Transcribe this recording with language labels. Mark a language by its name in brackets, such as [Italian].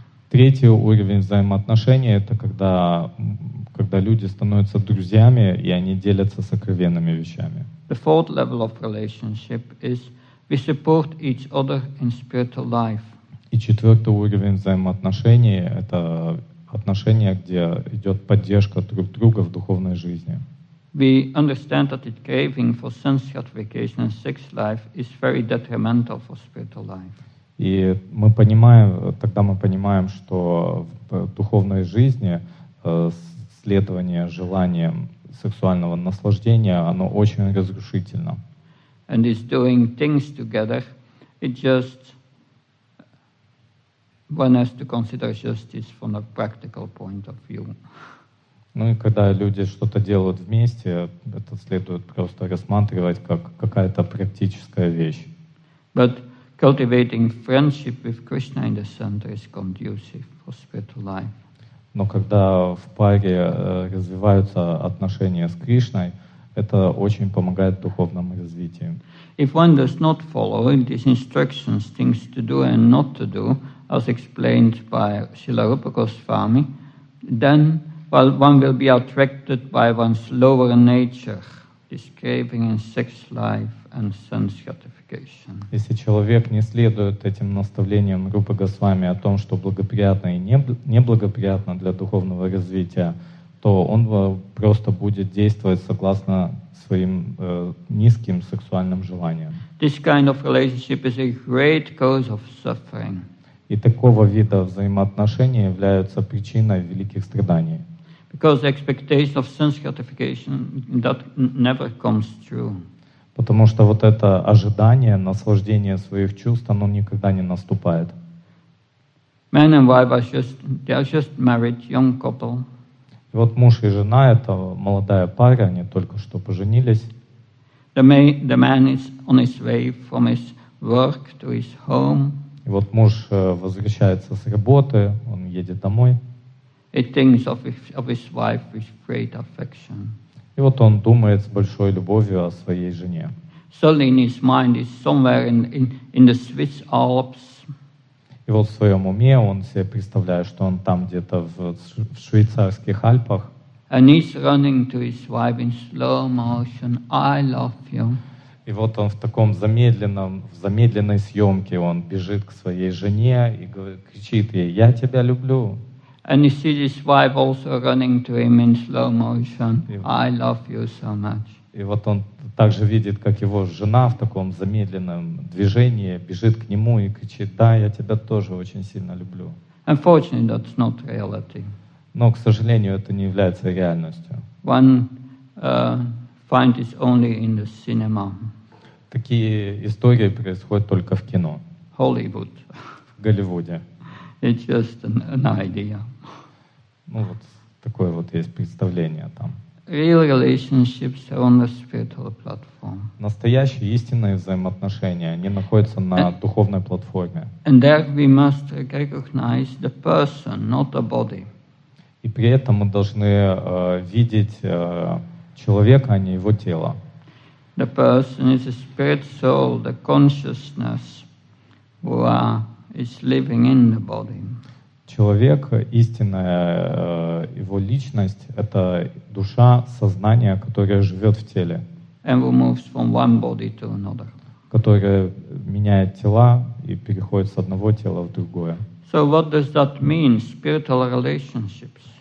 [Russian] Третий уровень взаимоотношений – это когда люди становятся друзьями, и они делятся сокровенными вещами. [English] The fourth level of relationship is we support each other in spiritual life. [Russian] И четвертый уровень взаимоотношений – это отношения, где идет поддержка друг друга в духовной жизни. [English] We understand that the craving for sense gratification and sex life is very detrimental for spiritual life. [Russian] И мы понимаем, тогда мы понимаем, что в духовной жизни следование желаниям сексуального наслаждения, оно очень разрушительно. [English] And it's doing things together, it just one has to consider justice from a practical point of view. [Russian] Ну и когда люди что-то делают вместе, это следует просто рассматривать как какая-то практическая вещь. [English] But cultivating friendship with Krishna in the center is conducive for spiritual life. [Russian] Но когда в паре развиваются отношения с Кришной, это очень помогает духовному развитию. [English] If one does not follow these instructions, things to do and not to do, as explained by Srila Rupa Goswami, then while one will be attracted by one's lower nature, this craving in sex life and sense gratification. [Russian] Если человек не следует этим наставлениям Рупы Госвами о том, что благоприятно и неблагоприятно для духовного развития, то он просто будет действовать согласно своим низким сексуальным желаниям. [English] This kind of relationship is a great cause of suffering. [Russian] И такого вида взаимоотношения являются причиной великих страданий. [English] Because the expectation of sense gratification that never comes true. [Russian] Потому что вот это ожидание наслаждения своих чувств, оно никогда не наступает. [English] Man and wife are just, they are just married, young couple. [Russian] И вот муж и жена — это молодая пара, они только что поженились. [English] The man is on his way from his work to his home. [Russian] И вот муж возвращается с работы, он едет домой. [English] He thinks of his wife with great affection. [Russian] И вот он думает с большой любовью о своей жене. [English] Suddenly in his mind is somewhere in the Swiss Alps. [Russian] И вот в своем уме он себе представляет, что он там где-то в швейцарских Альпах. [English] And he's running to his wife in slow motion. I love you. [Russian] И вот он в таком замедленном, в замедленной съемке, он бежит к своей жене и говорит, кричит ей, я тебя люблю. [English] And he sees his wife also running to him in slow motion. I love you so much. [Russian] И вот он также видит, как его жена в таком замедленном движении бежит к нему и кричит, да, я тебя тоже очень сильно люблю. [English] Unfortunately, that's not reality. [Russian] Но, к сожалению, это не является реальностью. [English] One finds this only in the cinema. [Russian] Такие истории происходят только в кино. [English] Hollywood. [Russian] В Голливуде. [English] It's just an idea. [Russian] Ну вот такое вот есть представление там. [English] Real relationships are on the spiritual platform. [Russian] Настоящие истинные взаимоотношения, они находятся на духовной платформе. [English] And there we must recognize the person, not the body. [Russian] И при этом мы должны видеть человека, а не его тело. [English] The person is a spirit soul, the consciousness who is living in the body. [Russian] Человек, истинная его личность, это душа, сознание, которое живет в теле. [English] And moves from one body to another. [Russian] Которое меняет тела и переходит с одного тела в другое. [English] So what does that mean, spiritual relationships?